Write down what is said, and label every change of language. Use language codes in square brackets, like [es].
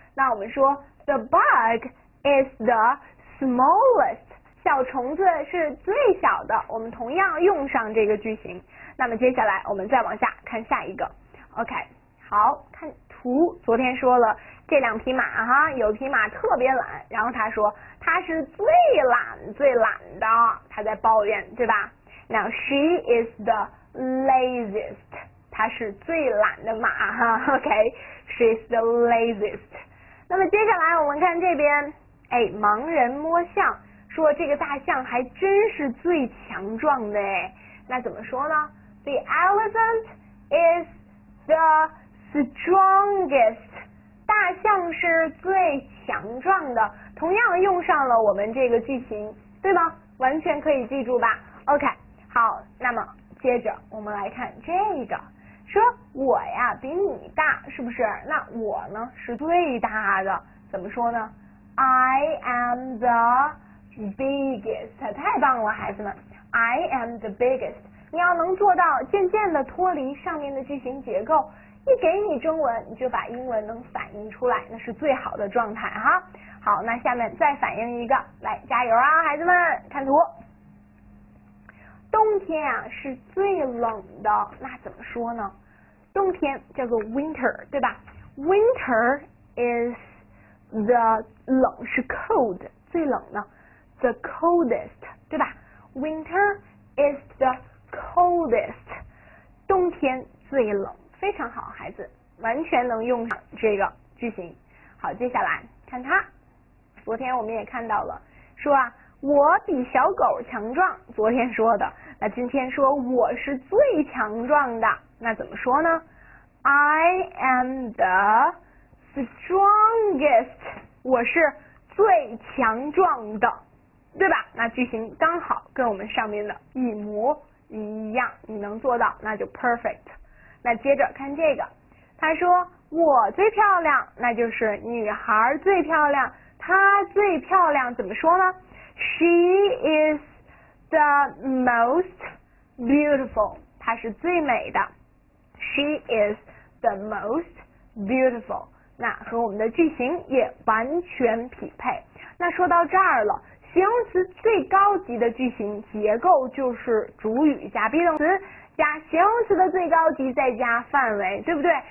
[zh] 那我们说 [en] the bug is the smallest， [zh] 小虫子是最小的，我们同样用上这个句型。那么接下来我们再往下看下一个。OK， 好，看图，昨天说了这两匹马哈，有匹马特别懒，然后他说他是最懒最懒的，他在抱怨，对吧？ [en] Now she is the laziest， [zh] 他是最懒的马哈。 [en] OK， she's the laziest。 [zh] 那么接下来我们看这边，哎，盲人摸象，说这个大象还真是最强壮的。哎，那怎么说呢？ [en] The elephant is the strongest， [zh] 大象是最强壮的，同样用上了我们这个句型，对吗？完全可以记住吧。OK， 好，那么接着我们来看这个，说我呀比你大，是不是？那我呢是最大的，怎么说呢？ [en] I am the biggest， [zh] 太棒了孩子们， [en] I am the biggest。 [zh] 你要能做到渐渐的脱离上面的句型结构，一给你中文你就把英文能反映出来，那是最好的状态哈。好，那下面再反映一个，来加油啊孩子们，看图。冬天啊是最冷的，那怎么说呢？冬天叫做 winter， 对吧？ [en] winter is the [zh] 冷是 cold， 最冷的 [en] the coldest， [zh] 对吧？ [en] winter is the coldest， [zh] 冬天最冷，非常好孩子，完全能用上这个句型。好，接下来看它，昨天我们也看到了，说啊我比小狗强壮，昨天说的，那今天说我是最强壮的，那怎么说呢？ [en] I am the strongest， [zh] 我是最强壮的，对吧？那句型刚好跟我们上面的一模一样，你能做到那就 perfect。那接着看这个，他说我最漂亮，那就是女孩最漂亮，她最漂亮，怎么说呢？ [en] She is the most beautiful， [zh] 她是最美的。 [en] She is the most beautiful， [zh] 那和我们的句型也完全匹配。那说到这儿了，形容词最高级的句型结构就是主语加 be 动词加形容词的最高级再加范围，对不对？